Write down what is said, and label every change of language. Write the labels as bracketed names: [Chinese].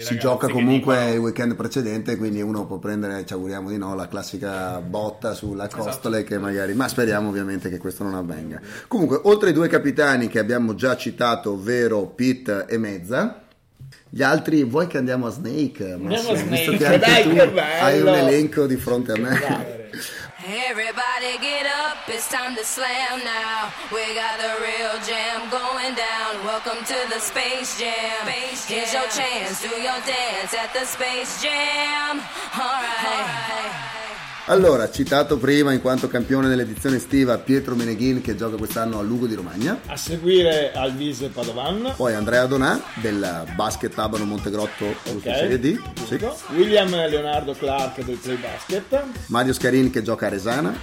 [Italian] Si gioca comunque il weekend precedente, quindi uno può prendere, ci auguriamo di no, la classica botta sulla costole, che magari, ma speriamo ovviamente che questo non avvenga. Comunque, oltre ai due capitani che abbiamo già citato, ovvero Pitt e Mezza, gli altri, vuoi che andiamo a Snake? Hai un elenco di fronte a me. [English] Everybody get up, it's time to slam now. We got a real jam going down. Welcome to the Space Jam. Space Jam. Here's your chance, do your dance at the Space Jam. All right. All right. [Italian] Allora, citato prima in quanto campione dell'edizione estiva, Pietro Meneghin, che gioca quest'anno a Lugo di Romagna. A seguire Alvise Padovan. Poi Andrea Donà, del Basket Abano Montegrotto, okay. Serie D. Sì. William Leonardo Clark, del Play Basket. Mario Scarin, che gioca a Resana.